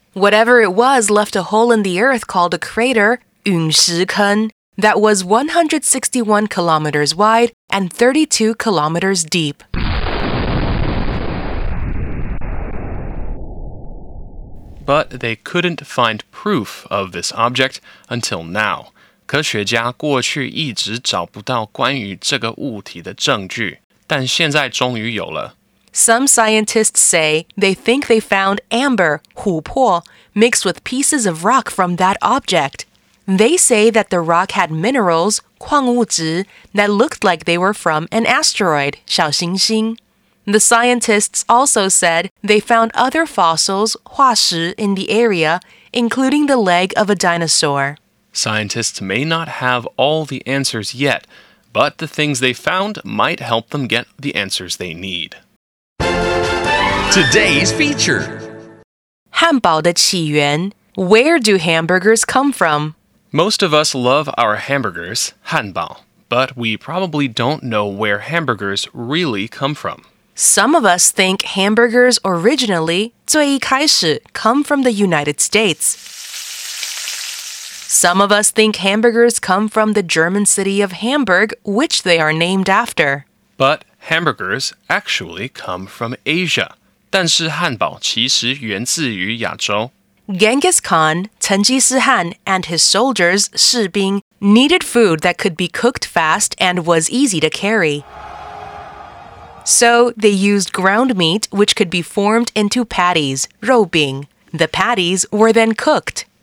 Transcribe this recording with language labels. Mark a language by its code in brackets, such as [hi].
[en] Whatever it was left a hole in the Earth called a crater, 陨石坑, that was 161 kilometers wide and 32 kilometers deep. But they couldn't find proof of this object until now. [zh] 科学家过去一直找不到关于这个物体的证据，但现在终于有了。 [en] Some scientists say they think they found amber, 琥珀, mixed with pieces of rock from that object. They say that the rock had minerals, 矿物质, that looked like they were from an asteroid, 小行星. The scientists also said they found other fossils, 化石, in the area, including the leg of a dinosaur. Scientists may not have all the answers yet, but the things they found might help them get the answers they need. Today's feature. 汉堡的起源。 Where do hamburgers come from? Most of us love our hamburgers, 汉堡, but we probably don't know where hamburgers really come from. Some of us think hamburgers originally, 最一开始, come from the United States. Some of us think hamburgers come from the German city of Hamburg, which they are named after. But hamburgers actually come from Asia. [zh] 但是汉堡其实源自于亚洲。 [en] Genghis Khan, 成吉思汗, and his soldiers, 士兵, needed food that could be cooked fast and was easy to carry. So, they used ground meat, which could be formed into patties, 肉饼. The patties were then cooked.